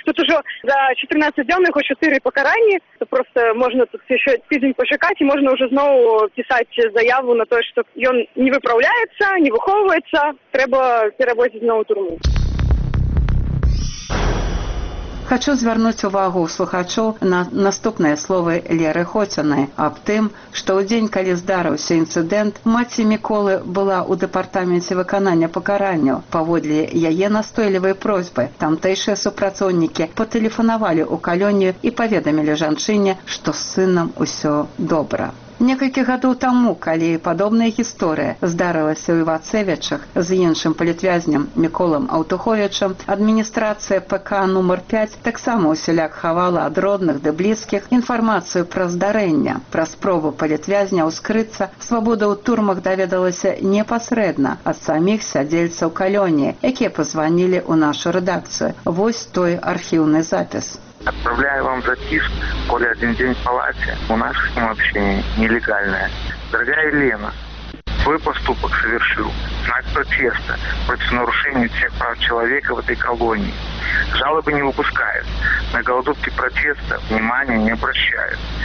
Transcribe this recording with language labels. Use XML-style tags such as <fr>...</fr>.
<ru>Тут уже за 14 дней его 4 покарания, то просто можно тут еще тиждень почекать, и можно уже снова писать заяву на то, что он не выправляется, не выховывается, треба перевозить снова в турму.</ru> <be>Хачу звярнуць увагу слухачоў на наступныя словы Леры Хоцінай аб тым, што ў дзень, калі здарыўся інцыдэнт, маці Міколы была ў дэпартаменце выканання пакаранняў. Паводле яе настойлівай просьбы, тамтэйшыя супрацоўнікі патэлефанавалі ў калонію і паведамілі жанчыне, што з сынам усё добра. Некалькі гадоў таму, калі падобная гісторыя здарылася ў Івацевічах з іншым палітвязням Міколам Аўтуховічам, адміністрацыя ПК нумар 5 таксама ўсяляк хавала ад родных ды блізкіх інфармацыю пра здарэнне. Пра спробу палітвязня ўскрыцца свабода ў турмах даведалася непасрэдна ад саміх сядзельцаў калоніі, якія пазванілі ў нашу рэдакцыю. Вось той архіўны запіс.</be> <ru>Отправляю вам записку, коли один день в палате, у нас с ним общение нелегальное. Дорогая Елена, свой поступок совершил, знак протеста против нарушения всех прав человека в этой колонии. Жалобы не выпускают, на голодовке протеста внимания не обращают.</ru>